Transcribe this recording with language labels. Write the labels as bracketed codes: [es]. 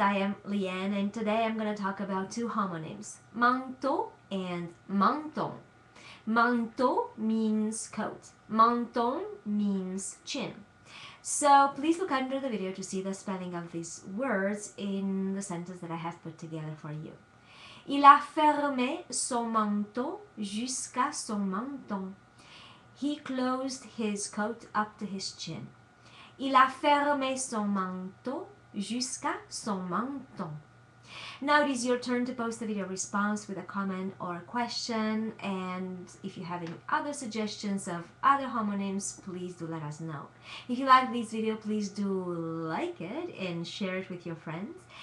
[en] I am Llyane and today I'm going to talk about two homonyms, manteau and menton. Manteau means coat. Menton means chin. So please look under the video to see the spelling of these words in the sentence that I have put together for you. [fr] Il a fermé son manteau jusqu'à son menton. [en] He closed his coat up to his chin. [fr] Il a fermé son manteau jusqu'à son menton. [en] Now it is your turn to post the video response with a comment or a question. And if you have any other suggestions of other homonyms, please do let us know. If you like this video, please do like it and share it with your friends.